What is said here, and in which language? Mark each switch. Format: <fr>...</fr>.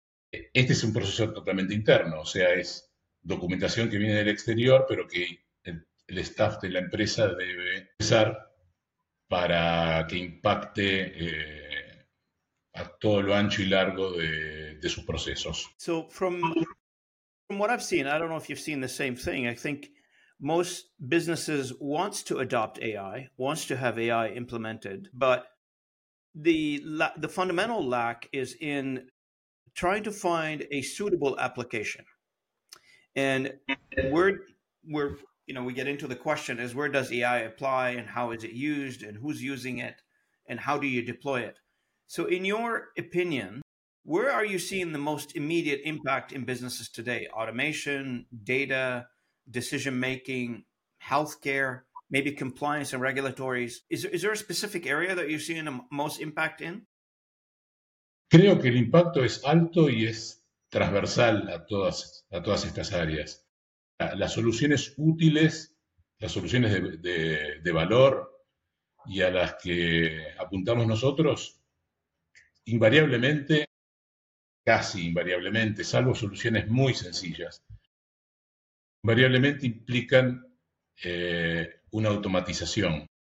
<es>Este es un proceso totalmente interno, o sea, es documentación que viene del exterior, pero que el staff de la empresa debe usar para que impacte a todo lo ancho y largo de sus procesos.</es> <en>So from what I've seen, I don't know if you've seen the same thing. I think most businesses wants to adopt AI, wants to have AI implemented, but the fundamental lack is in trying to find a suitable application. And we get into the question is where does AI apply and how is it used and who's using it and how do you deploy it? So in your opinion, where are you seeing the most immediate impact in businesses today? Automation, data, decision-making, healthcare, maybe compliance and regulatories. Is there a specific area that you're seeing the most impact in?</en> <es>Creo que el impacto es alto y es transversal a todas estas áreas. Las soluciones útiles, las soluciones de valor y a las que apuntamos nosotros, invariablemente, casi invariablemente, salvo soluciones muy sencillas, invariablemente implican una automatización.</es>